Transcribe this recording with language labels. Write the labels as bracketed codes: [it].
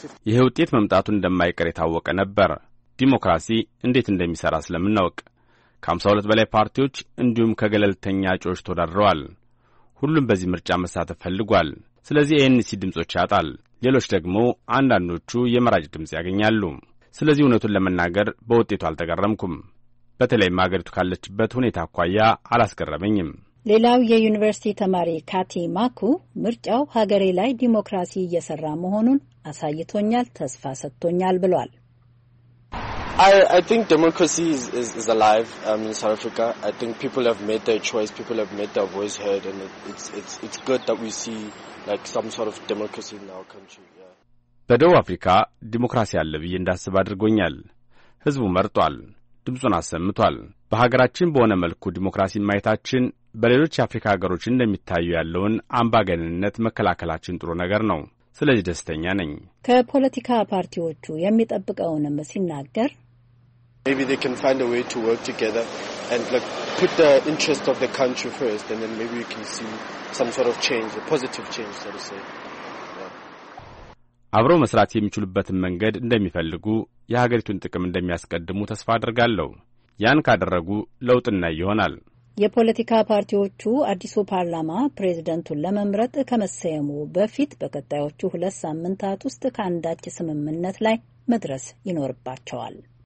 [am] ይሄ ውጤት መምጣቱ እንደማይቀር የታወቀ ነበር። ዲሞክራሲ እንዴት እንደሚሰራ ስለምናውቅ ከ52 በላይ ፓርቲዎች እንዲሁም ከገለልተኛ እጩዎች ተወዳድረዋል። ሁሉም በዚህ ምርጫ መሳተፍ ፈልጓል። ስለዚህ ANC ድምጾች ያጣል፣ ሌሎች ደግሞ አንዳንዶቹ የመራጭ ድምጽ ያገኛሉ። ስለዚህ እነቱን ለመናገር በውጤቱ አልተገረምኩም። በተለይ ማገሪቱ ካለችበት ሁኔታ አኳያ አላስገረመኝም። ሌላው የዩኒቨርሲቲ ተማሪ ካቲ ማኩ ምርጫው ሀገሬ ላይ ዲሞክራሲ እየሰራ መሆኑን አሳይቶኛል፣ ተስፋ ሰጥቶኛል ብሏል። [en] I think democracy is alive in South Africa. I think people have made their choice, people have made their voice heard, and it's good that we see like some sort of democracy in our country. Yeah. [am] በደቡብ አፍሪካ ዲሞክራሲ አለ ብዬ እንዳስብ አድርጎኛል። ህዝቡ መርጧል፣ ድምጹን አሰምቷል። በሀገራችን በሆነ መልኩ ዲሞክራሲ ማይታችን በሌሎች አፍሪካ ሀገሮች እንደሚታዩ ያለውን አምባገነንነት መከላከላችን ጥሩ ነገር ነው። ስለዚህ ደስተኛ ነኝ። ከፖለቲካ ፓርቲዎቹ የሚጠብቀውንም ሲናገር [en] maybe they can find a way to work together and like put the interest of the country first and then maybe you can see some sort of change, a positive change, so to say. [am] አብሮ መስራት የሚችሉበትን መንገድ እንደሚፈልጉ የሀገሪቱን ጥቅም እንደሚያስቀድሙ ተስፋ አድርጋለሁ። ያን ካደረጉ ለውጥና ይሆናል። የፖለቲካ ፓርቲዎቹ አዲሱ ፓርላማ ፕሬዝደንቱን ለመምረጥ ከመሰየሙ በፊት በቀጣዮቹ 2 ሳምንታት ውስጥ ከአንዳች ስምምነት ላይ መድረስ ይኖርባቸዋል።